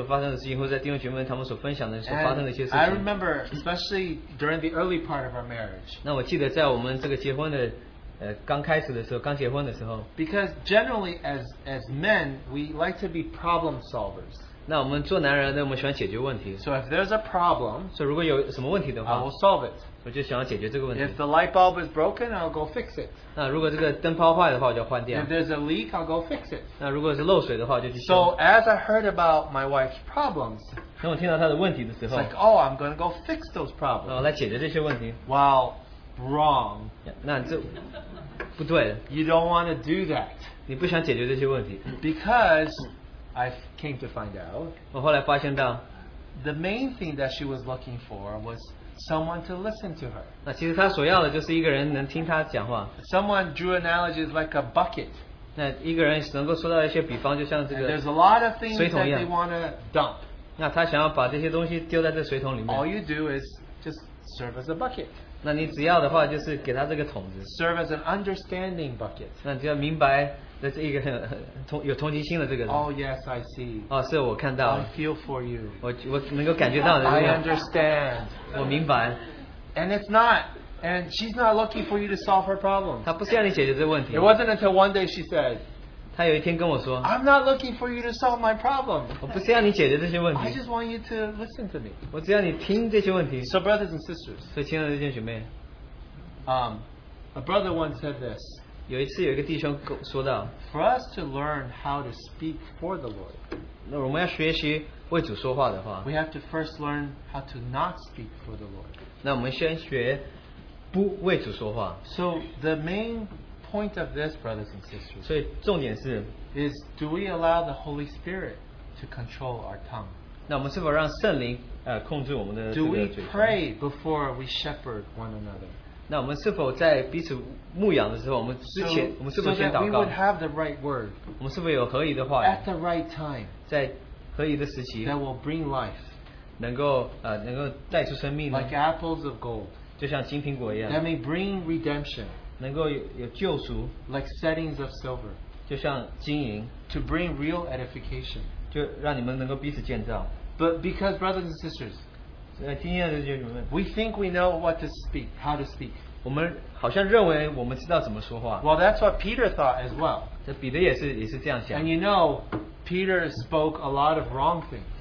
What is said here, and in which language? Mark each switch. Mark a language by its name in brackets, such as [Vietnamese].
[Chinese] 那我的姊妹就会跟我说在她那一天所发生的事情或者在弟兄姐妹他们所分享的所发生的一些事情。 [English] I remember, especially during the early part of our marriage. [Chinese] 那我记得在我们这个结婚的 刚开始的时候，刚结婚的时候， [English] because generally as men we like to be problem solvers. [Chinese] 那我们做男人呢，我们喜欢解决问题。 [English] So if there's a problem, [Chinese] 所以如果有什么问题的话， [English] I will solve it. [Chinese] 我就想要解决这个问题。 [English] If the light bulb is broken, I'll go fix it. [Chinese] 那如果这个灯泡坏的话，我就换掉。 [English] If there's a leak, I'll go fix it. [Chinese] 那如果是漏水的话，我就去修。 [English] So as I heard about my wife's problems, [Chinese] 当我听到她的问题的时候， [English] it's like, oh, I'm going to go fix those problems. [Chinese] 来解决这些问题。 [English] Wow. Wrong. [Chinese] Yeah, 那这不对。 [English] You don't want to do that. [Chinese] 你不想解决这些问题。 [English] Because I came to find out, [Chinese] 我后来发现到, [English] the main thing that she was looking for was someone to listen to her. [Chinese] 那其实她所要的就是一个人能听她讲话。 [English] Someone drew analogies like a bucket. [Chinese] 那一个人能够说到一些比方，就像这个水桶一样。 [English] There's a lot of things that they want to dump. [Chinese] 那她想要把这些东西丢在这水桶里面。 [English] All you do is just serve as a bucket. [Chinese] 那你只要的话就是给他这个桶子， [English] serve as an understanding bucket. [Chinese] 那只要明白，那是一个很有同情心的这个人。 [English] Oh yes, I see. [Chinese] 哦，是我看到。 [English] I feel for you. [Chinese] 我能够感觉到的。 [English] I understand. [Chinese] 我明白。 [English] And it's not, and she's not looking for you to solve her problem. [Chinese] 她不是要你解决这个问题。 [English] It wasn't until one day she said, [Chinese] 她有一天跟我说， [English] I'm not looking for you to solve my problem. [Chinese] 我不是要你解决这些问题。 [English] I just want you to listen to me. [Chinese] 我只要你听这些问题。 [English] So brothers and sisters, [Chinese] 所以亲爱的弟兄姐妹， [English] a brother once said this, [Chinese] 有一次有一个弟兄说到， [English] for us to learn how to speak for the Lord, [Chinese] 那我们要学习为主说话的话， [English] we have to first learn how to not speak for the Lord. [Chinese] 那我们先学不为主说话。 [English] So the main point of this, brothers and sisters, [Chinese] 所以重点是, [English] is do we allow the Holy Spirit to control our tongue? [Chinese] 那我们是否让圣灵, 控制我们的这个嘴巴? [English] Do we pray before we shepherd one another? [Chinese] 那我们是否在彼此牧养的时候, 我们之前, [English] so, [Chinese] 我们是否先祷告? [English] So that we would have the right word, [Chinese] 我们是否有合宜的话语, [English] at the right time, [Chinese] 在合宜的时期, [English] that will bring life, [Chinese] 能够, 能够带出生命呢? [English] Like apples of gold, [Chinese] 就像金苹果一样, [English] that may bring redemption, [Chinese] 能够有救赎, [English] like settings of silver, [Chinese] 就像金银, [English] to bring real edification. [Chinese] 就让你们能够彼此建造。 [English] But because, brothers and sisters, [Chinese] 今天的弟兄们, [English] we think we know what to speak, how to speak. [Chinese] 我们好像认为我们知道怎么说话。 [English] Well, that's what Peter thought as well. [Chinese] 这彼得也是这样想。 [English] And you know, Peter spoke a lot of wrong things.